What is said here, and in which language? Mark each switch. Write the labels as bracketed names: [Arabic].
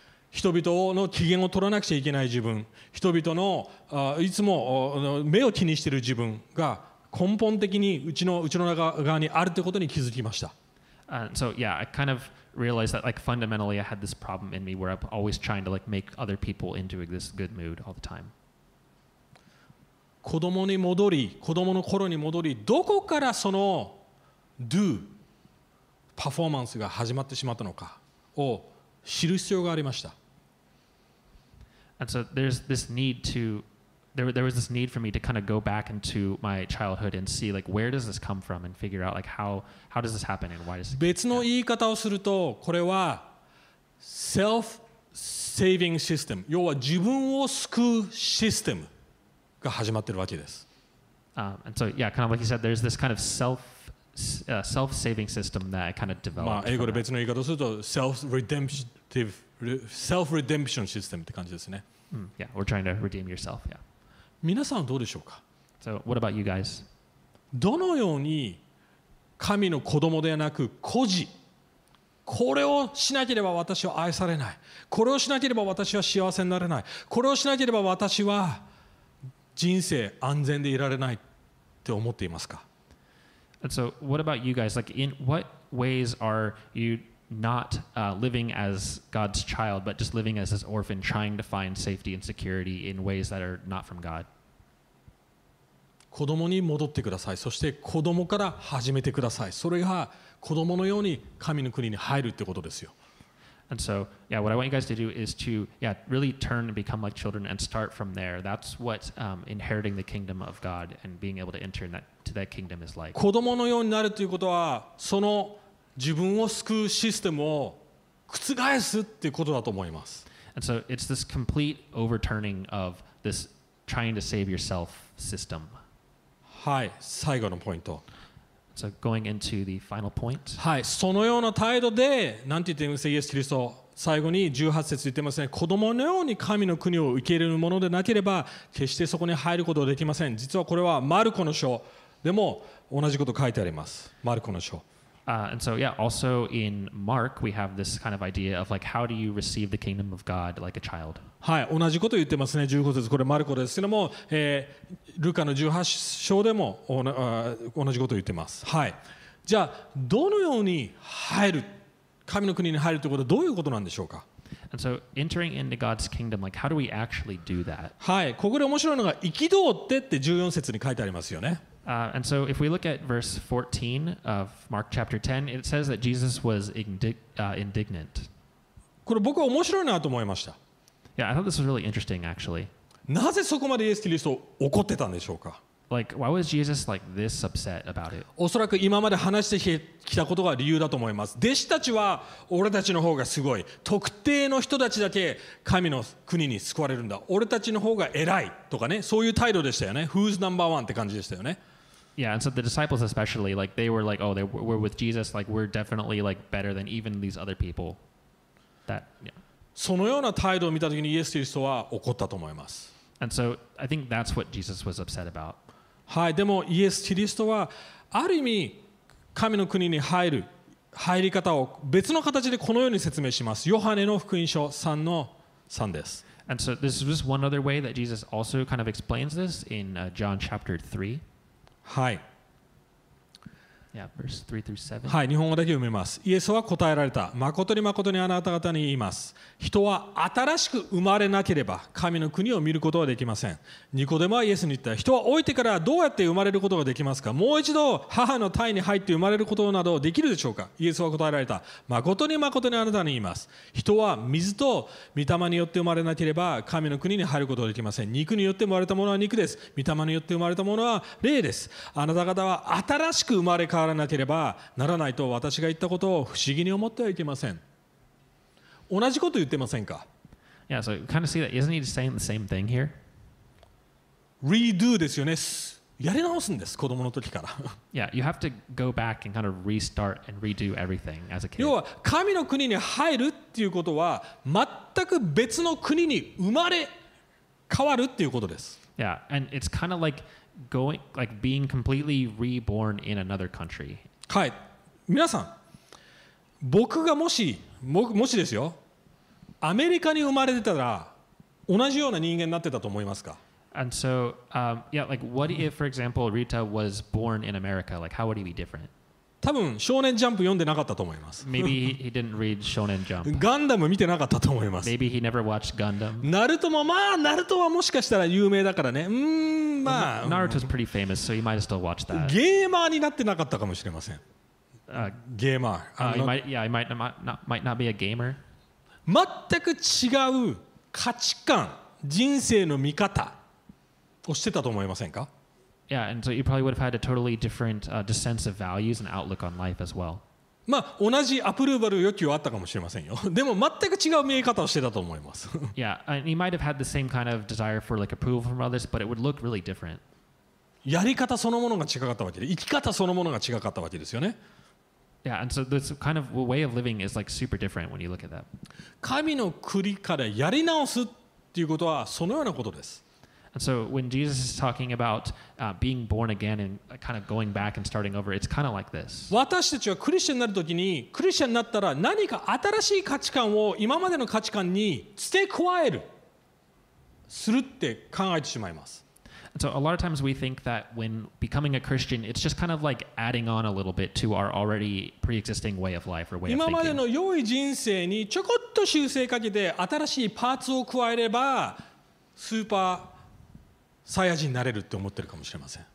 [Japanese] 人々の機嫌を取らなくちゃいけない自分、人々のいつも目を気にしている自分が根本的にうちの中側にあるってことに気づきました。 [English] So yeah, I kind of realized that like fundamentally I had this problem in me where I'm always trying to like make other people into this good mood all the time. [Japanese] 子供に戻り、子供の頃に戻り、どこからその do パフォーマンスが始まってしまったのかを知る必要がありました。 [English] And so there's this need to there was this need for me to kind of go back into my childhood and see like where does this come from and figure out like how does this happen and why does it [Japanese] 別の言い方をするとこれは self-saving system 要は自分を救うシステムが始まってるわけです。 [English] And so yeah, kind of like you said, there's this kind of self-saving system that I kind of developed. [Japanese] まあ英語で別の言い方をすると self-redemption system って感じですね。 [English] Yeah, we're trying to redeem yourself, yeah. [Japanese] 皆さんどうでしょうか？ [English] So, what about you guys? [Japanese] どのように神の子供ではなく孤児、これをしなければ私は愛されない、これをしなければ私は幸せになれない、これをしなければ私は人生安全でいられないって思っていますか？ [English] And so, what about you guys? Like, in what ways are you not living as God's child, but just living as this orphan, trying to find safety and security in ways that are not from God? [Japanese] 子供に戻ってください。そして子供から始めてください。それが子供のように神の国に入るってことですよ。 [English] And so, yeah, what I want you guys to do is to, yeah, really turn and become like children and start from there. That's what inheriting the kingdom of God and being able to enter into that kingdom is like. [Japanese] 子供のようになるということは、その自分を救うシステムを覆すっていうことだと思います。 [English] And so it's this complete overturning of this trying to save yourself system. [Japanese] はい、最後のポイント。 [English] So going into the final point. [Japanese] はい、そのような態度で、なんて言ってもイエス・キリスト最後に18節言ってますね。子供のように神の国を受け入れるものでなければ決してそこに入ることはできません。実はこれはマルコの書でも同じこと書いてあります。マルコの書。 [English] And so, yeah, also in Mark, we have this kind of idea of like, how do you receive the kingdom of God like a child? [Japanese] はい、同じこと言ってますね。15節、これマルコですけども、ルカの18章でも同じこと言ってます。はい。じゃあどのように入る、神の国に入るということはどういうことなんでしょうか。 [English] And so entering into God's kingdom, like how do we actually do that? [Japanese] はい、ここで面白いのが行き通ってって14節に書いてありますよね。 [English] And so if we look at verse 14 of Mark chapter 10, it says that Jesus was indignant. [Japanese] これ僕は面白いなと思いました。 [English] Yeah, I thought this was really interesting actually. [Japanese] なぜそこまでイエス・キリストを怒ってたんでしょうか。 [English] Like, why was Jesus like this upset about it? [Japanese] おそらく今まで話してきたことが理由だと思います。弟子たちは俺たちの方がすごい。特定の人たちだけ神の国に救われるんだ。俺たちの方が偉いとかね、そういう態度でしたよね。 [English] Who's number one [Japanese] って感じでしたよね。 [English] Yeah, and so the disciples especially, like they were like, oh, they were with Jesus, like we're definitely like better than even these other people. That, yeah. [Japanese] そのような態度を見たときにイエス・キリストは怒ったと思います。 [English] And so I think that's what Jesus was upset about. [Japanese] はい、でもイエス・キリストはある意味神の国に入る入り方を別の形でこのように説明します。ヨハネの福音書3の3です。 [English] And so this is just one other way that Jesus also kind of explains this in John chapter 3. [Japanese] はい、 [English] yeah, verse 3-7. [Japanese] はい、日本語だけ読みます。イエスは答えられた、誠に誠にあなた方に言います、人は新しく生まれなければ神の国を見ることはできません。ニコデモはイエスに言った、人は老いてからどうやって生まれることができますか、もう一度母の胎に入って生まれることなどできるでしょうか。イエスは答えられた、誠に誠にあなたに言います、人は水と御霊によって生まれなければ神の国に入ることはできません。肉によって生まれたものは肉です、御霊によって生まれたものは霊です。あなた方は新しく生まれ変わらなければならないと私が言ったことを不思議に思ってはいけません。同じこと言ってませんか? [English] Yeah, so you kind of see that. Isn't he saying the same thing here? [Japanese] Redo ですよね。やり直すんです、子供の時から。 [English] Yeah, you have to go back and kind of restart and redo everything as a kid. [Japanese] 要は神の国に入るっていうことは全く別の国に生まれ変わるっていうことです。 [English] Yeah, and it's kind of like going, like being completely reborn in another country. [Japanese] はい、皆さん、僕がもしですよ、アメリカに生まれてたら同じような人間になってたと思いますか。 [English] And so, yeah, like what if, for example, Rita was born in America? Like, how would he be different? [Japanese] 多分少年ジャンプ読んでなかったと思います。 [English] Maybe he didn't read Shonen Jump. [Japanese] ガンダム見てなかったと思います。 [English] Maybe he never watched Gundam. [Japanese] ナルトもまあナルトはもしかしたら有名だからね。まあ。 [English] Well, Naruto's pretty famous, so he might still watch that. [Japanese] ゲーマーになってなかったかもしれません。ゲーマー、 [English] might not be a gamer. [Japanese] 全く違う価値観、人生の見方をしてたと思いませんか。 [English] Yeah, and so you probably would have had a totally different sense of values and outlook on life as well. [Japanese] まあ同じアプローバル欲求はあったかもしれませんよ。でも全く違う見え方をしてたと思います。 [English] Yeah, and you might have had the same kind of desire for like approval from others, but it would look really different. [Japanese] やり方そのものが違かったわけで、生き方そのものが違かったわけですよね。 [English] Yeah, and so this kind of way of living is like super different when you look at that. [Japanese] 神の国からやり直すっていうことはそのようなことです。 [English] And so when Jesus is talking about being born again and kind of going back and starting over, it's kind of like this. [Japanese] 私たちはクリスチャンになるときに、クリスチャンになったら何か新しい価値観を今までの価値観に付け加えるするって考えてしまいます。 [English] So a lot of times we think that when becoming a Christian, it's just kind of like adding on a little bit to our already pre-existing way of life or way of thinking. [Japanese] 今までの良い人生にちょこっと修正かけて新しいパーツを加えればスーパーサイヤ人になれるって思ってるかもしれません。